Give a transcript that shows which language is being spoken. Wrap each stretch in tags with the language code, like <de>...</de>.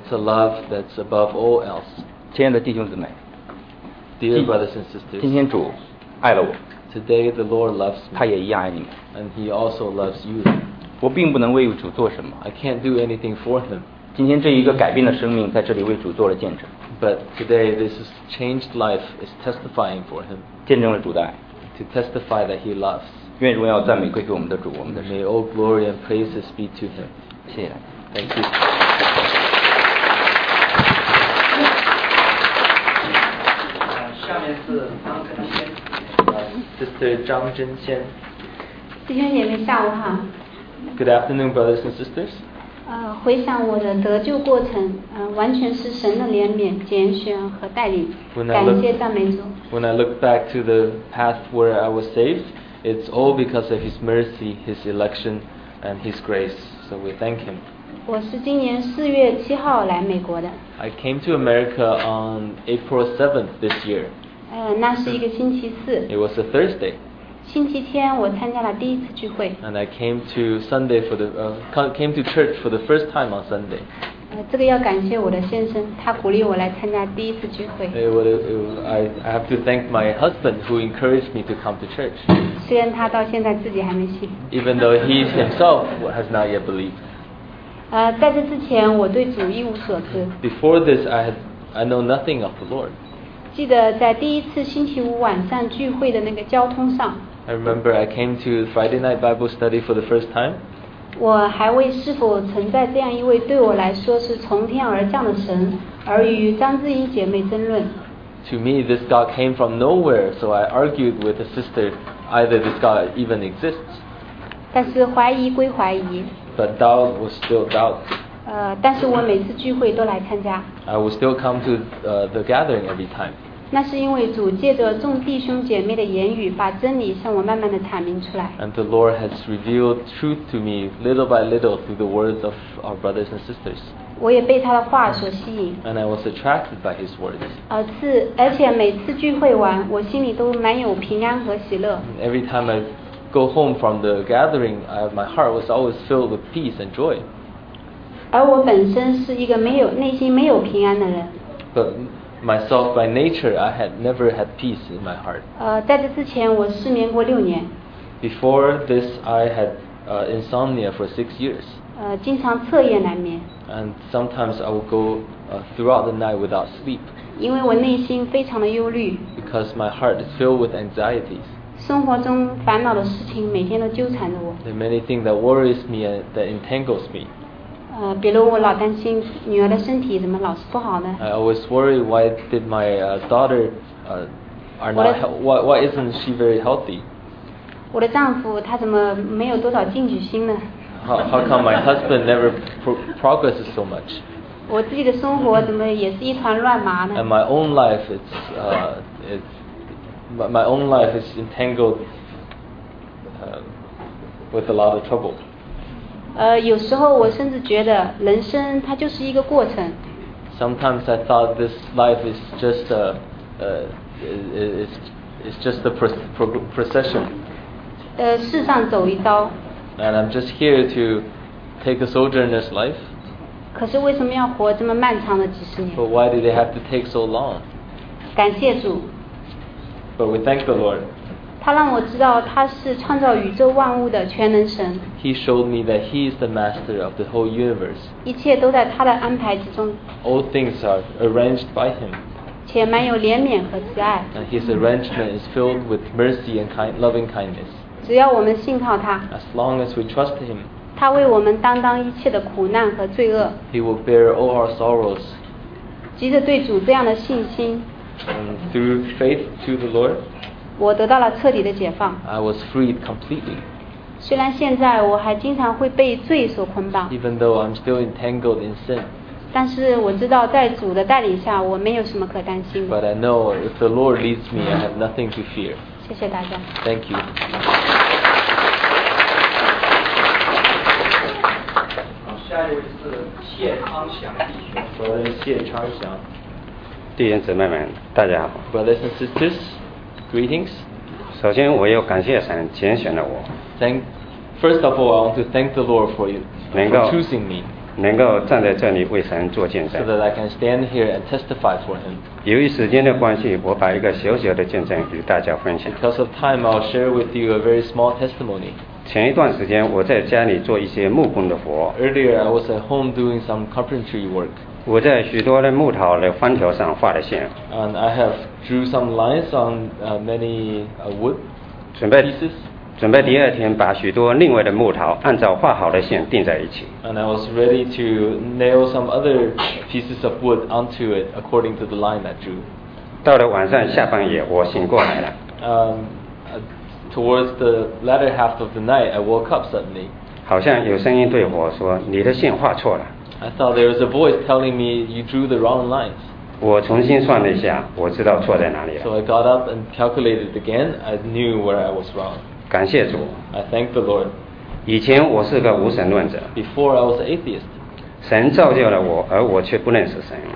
<en>It's a love that's above all else</en> <zh>亲爱的弟兄姊妹</zh> <en>Dear brothers and sisters</en> <zh>今天主爱了我</zh> <en>Today the Lord loves me</en> <zh>他也一样爱你们</zh> <en>And He also loves you</en> <zh>我并不能为主做什么</zh> <en>I can't do anything for Him</en> <zh>今天这一个改变的生命在这里为主做了见证。</zh> <en>But today this changed life is testifying for him.</en> <zh>见证了主的爱。</zh> <en>To testify that he loves.</en> <zh>愿荣耀赞美归给我们的主，我们的神。</zh> <en>May all glory and praises be to him.</en> <zh>谢谢。</zh> <en>Thank you.</en> <zh>下面是张真仙。</zh> <en>Sister 张真仙。</en> <zh>弟兄姐妹，下午好。</zh> <en>Good afternoon, brothers and sisters.</en> <zh>回想我的得救过程，完全是神的怜悯、拣选和带领。感谢赞美主。</zh> <en>When I look back to the path where I was saved, it's all because of His mercy, His election, and His grace. So we thank Him.</en> <zh>我是今年四月七号来美国的。</zh> <en>I came to America on April 7th this year.</en> <zh>那是一个星期四。</zh> <en>It was a Thursday.</en> <zh>星期天我参加了第一次聚会。</zh> <en>And I came to Sunday for the came to church for the first time on Sunday.</en> <zh>这个要感谢我的先生，他鼓励我来参加第一次聚会。</zh> <en>I have to thank my husband who encouraged me to come to church.</en> <zh>虽然他到现在自己还没信。</zh> <en>Even though he himself has not yet believed.</en> <zh>在这之前我对主一无所知。</zh> <en>Before this, I know nothing of the Lord.</en> <zh>记得在第一次星期五晚上聚会的那个交通上。</zh> <en>I remember I came to Friday night Bible study for the first time.</en> <zh>我还为是否存在这样一位对我来说是从天而降的神而与张志英姐妹争论。</zh> <en>To me, this God came from nowhere, so I argued with a sister either this God even exists.</en> <zh>但是怀疑归怀疑。</zh> <en>But doubt was still doubt.</en> <zh>但是我每次聚会都来参加。</zh> <en>I will still come to the gathering every time.</en> <zh>那是因为主借着众弟兄姐妹的言语，把真理向我慢慢的阐明出来。</zh> <en>And the Lord has revealed truth to me little by little through the words of our brothers and sisters.</en> <zh>我也被他的话所吸引。</zh> <en>And I was attracted by his words.</en> <zh>而且每次聚会完，我心里都蛮有平安和喜乐。</zh> <en>Every time I go home from the gathering, my heart was always filled with peace and joy.</en> <zh>而我本身是一个没有内心没有平安的人。</zh> <en>But myself by nature, I had never had peace in my heart.</en> <zh>在这之前我失眠过六年。</zh> <en>Before this, I had insomnia for 6 years.</en> <zh>经常彻夜难眠。</zh> <en>And sometimes I would go throughout the night without sleep.</en> <zh>因为我内心非常的忧虑。</zh> <en>Because my heart is filled with anxieties.</en> <zh>生活中烦恼的事情每天都纠缠着我。</zh> <en>There are many things that worries me and that entangles me.</en> <zh>比如我老担心女儿的身体怎么老是不好呢</zh> <en>I always worry why did my daughter are not why isn't she very healthy</en> <zh>我的丈夫他怎么没有多少进取心呢</zh> <en>how come my husband never progresses so much</en> <zh>我自己的生活怎么也是一团乱麻呢</zh> <en>And my own life is entangled with a lot of trouble</en> <zh>有时候我甚至觉得人生它就是一个过程。</zh> <en>Sometimes I thought this life is just a procession.</en> <zh>世上走一遭。</zh> <en>And I'm just here to take a sojourner's life.</en> <zh>可是为什么要活这么漫长的几十年</zh> <en>？But why do they have to take so long?</en> <zh>感谢主。</zh> <en>But we thank the Lord.</en> <zh>他让我知道他是创造宇宙万物的全能神。</zh> <en>He showed me that he is the master of the whole universe.</en> <zh>一切都在他的安排之中。</zh> <en>All things are arranged by him.</en> <zh>且满有怜悯和慈爱。</zh> <en>And his arrangement is filled with mercy and loving kindness.</en> <zh>只要我们信靠他。</zh> <en>As long as we trust him.</en> <zh>他为我们担当一切的苦难和罪恶。</zh> <en>He will bear all our sorrows.</en> <zh>藉着对主这样的信心。</zh> <en>And through faith to the Lord.</en> <zh>我得到了彻底的解放。</zh> <en>I was freed completely.</en> <zh>虽然现在我还经常会被罪所捆绑。</zh> <en>Even though I'm still entangled in sin.</en> <zh>但是我知道在主的带领下我没有什么可担心的。</zh> <en>But I know if the Lord leads me, I have nothing to fear.</en> <zh>谢谢大家。</zh> <en>Thank you.</en> <zh>下一位是谢昌祥弟兄姊妹们大家好。</zh> <en>Brothers and sisters,Greetings.</en> <zh>首先我要感谢神拣选了我。</zh> <en>First of all, I want to thank the Lord for you for choosing me.</en> <zh>能够站在这里为神做见证。</zh> <en>So that I can stand here and testify for him.</en> <zh>由于时间的关系，我把一个小小的见证与大家分享。</zh> <en>Because of time, I'll share with you a very small testimony.</en> <zh>前一段时间我在家里做一些木工的活。</zh> <en>Earlier, I was at home doing some carpentry work.</en> <zh>我在许多的木头的方条上画了线。</zh> <en>And I have drew some lines on many wood pieces.</en> <zh>准备第二天把许多另外的木头按照画好的线钉在一起。</zh> <en>And I was ready to nail some other pieces of wood onto it according to the line I drew.</en> <zh>到了晚上下半夜，我醒过来了。</zh> <en>Towards the latter half of the night, I woke up suddenly.</en> <zh>好像有声音对我说，你的线画错了。</zh> <en>I thought there was a voice telling me you drew the wrong lines.</en> <zh>我重新算了一下，我知道错在哪里了。</zh> <en>So I got up and calculated again. I knew where I was wrong.</en> <zh>感谢主。</zh> <en>I thank the Lord.</en> <zh>以前我是个无神论者。</zh> <en>Before I was an atheist.</en> <zh>神造就了我，而我却不认识神。</zh>